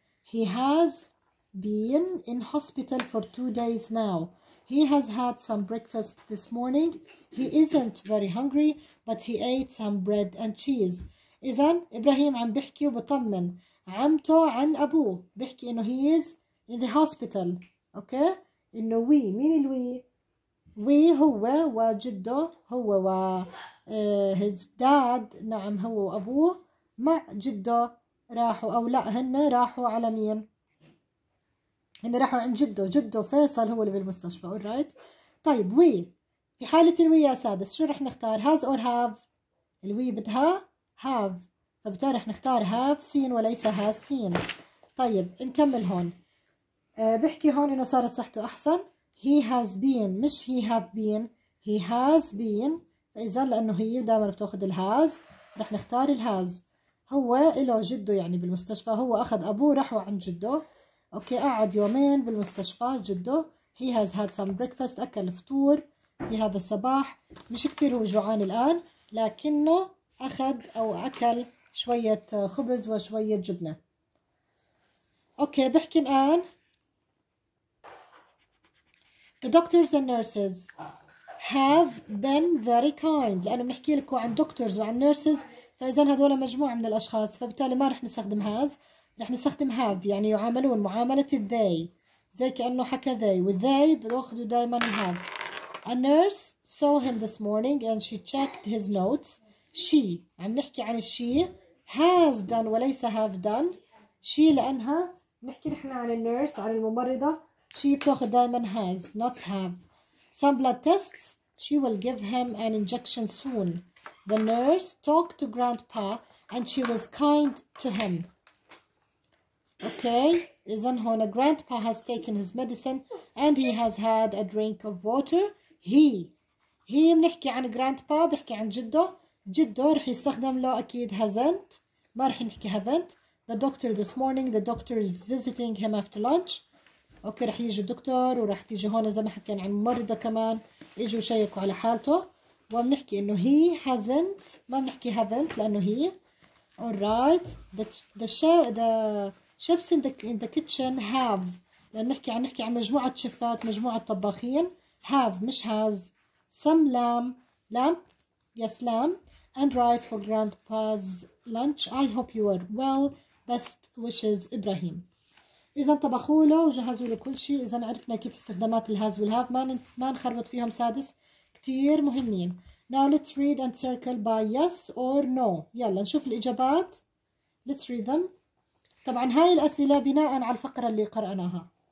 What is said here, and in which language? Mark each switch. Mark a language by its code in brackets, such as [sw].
[en] He has been in hospital for 2 days now. He has had some breakfast this morning. He isn't very hungry, but he ate some bread and cheese. [ar] إذا إبراهيم عم بحكي وبطمن عمته عن أبوه، بحكي إنه [en] he is in the hospital. [ar] Okay؟ إنه we، مين الوي؟ وي هو وجده، هو و his dad، نعم هو وأبوه مع جده راحوا، أو لا هن راحوا على مين؟ هن راحوا عند جده، جده فيصل هو اللي بالمستشفى. [en] alright. [ar] طيب وي، في حالة الوي يا سادس شو رح نختار، [en] has or have؟ [ar] الوي بدها have، فبالتالي رح نختار [en] have seen [ar] وليس [en] has seen. [ar] طيب نكمل هون، بحكي هون إنه صارت صحته أحسن. [en] He has been، مش he have been، he has been. [ar] فإذا لأنه هي دائما بتأخذ الهاز، رح نختار الهاز. هو إله جده يعني بالمستشفى، هو أخذ أبوه راحوا عن جده. أوكي، قعد يومين بالمستشفى جده. [en] He has had some breakfast، [ar] أكل فطور في هذا الصباح، مش كتير هو جوعان الآن، لكنه أخذ أو أكل شوية خبز وشوية جبنة. أوكي، بحكي الآن [en] The doctors and nurses have been very kind. [ar] لأنه بنحكي لكم عن doctors وعن nurses، فإذا هذول مجموعة من الأشخاص، فبالتالي ما رح نستخدم has، رح نستخدم have. يعني يعاملون معاملة they، زي كأنه حكى they، والthey بياخذوا دائما have. [en] A nurse saw him this morning and she checked his notes. She، [ar] عم نحكي عن [en] she، has done وليس have done. [ar] She لأنها نحكي نحن عن nurse، عن الممرضة. [en] She [ar] بتاخد دائما [en] has not have. Some blood tests she will give him an injection soon. The nurse talked to grandpa and she was kind to him. Okay, [ar] إذا هون [en] grandpa has taken his medicine and he has had a drink of water. [ar] He بنحكي عن grandpa، بحكي عن جده. جده رح يستخدم له أكيد [en] hasn't، ما رح نحكي haven't. The doctor this morning، the doctor is visiting him after lunch. [ar] اوكي رح يجي الدكتور ورح تيجي هون زي ما حكينا عن ممرضة كمان، اجوا شيكوا على حالته وبنحكي انه هي hasn't، ما بنحكي haven't لانه هي alright. [en] The chefs in the kitchen have، [ar] لأن نحكي عن نحكي عن مجموعة شيفات، مجموعة طباخين. [en] have مش has. some lamb yes lamb and rice for grandpa's lunch. I hope you are well. best wishes إبراهيم. [ar] إذا طبخوا له وجهزوا له كل شيء. إذا عرفنا كيف استخدامات الهاز والهاف، ما نخربط فيهم سادس، كتير مهمين. [en] now let's read and circle by yes or no. [ar] يلا نشوف الإجابات. [en] let's read them. [ar] طبعا هاي الأسئلة بناء على الفقرة اللي قرأناها.